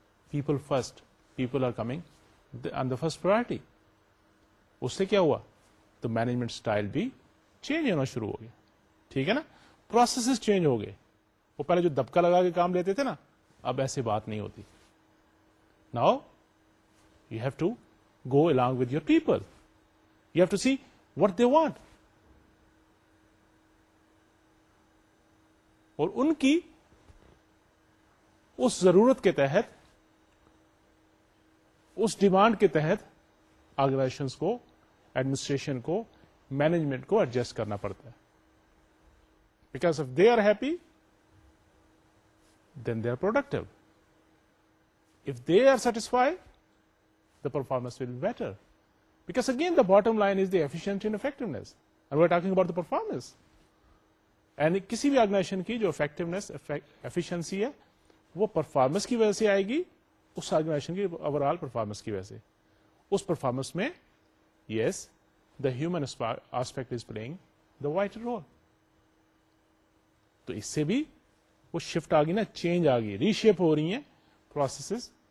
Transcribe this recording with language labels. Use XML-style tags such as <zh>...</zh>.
<en>People first, people are coming on the first priority.</en> <ur>اس سے کیا ہوا, تو مینجمنٹ اسٹائل بھی چینج ہونا شروع ہو گیا. ٹھیک ہے نا, پروسیسز چینج ہو گئے. وہ پہلے جو دبکا لگا کے کام لیتے تھے نا, اب ایسی بات نہیں ہوتی.</ur> <en>Now, you have to go along with your people. You have to see what they want.</en> <ur>اور ان کی اس ضرورت کے تحت, اس ڈیمانڈ کے تحت آرگنائزیشنز کو, ایڈمنسٹریشن کو, مینجمنٹ کو ایڈجسٹ کرنا پڑتا ہے.</ur> <en>because if they are happy, then they are productive. If they are satisfied, the performance will be better. Because again, the bottom line is the efficiency and effectiveness. And we're talking about the performance.</en> <ur>And کسی بھی organization کی جو effectiveness efficiency ہے وہ performance کی وجہ سے آئے گی اس آرگنائزیشن کی اوور آل پرفارمنس کی وجہ سے اس پرفارمنس میں</ur> <en>yes the human aspect is playing the vital role</en> <ur>تو اس سے بھی وہ شفٹ آ گئی نا چینج آ گئی ریشیپ ہو رہی ہیں پروسیسز</ur>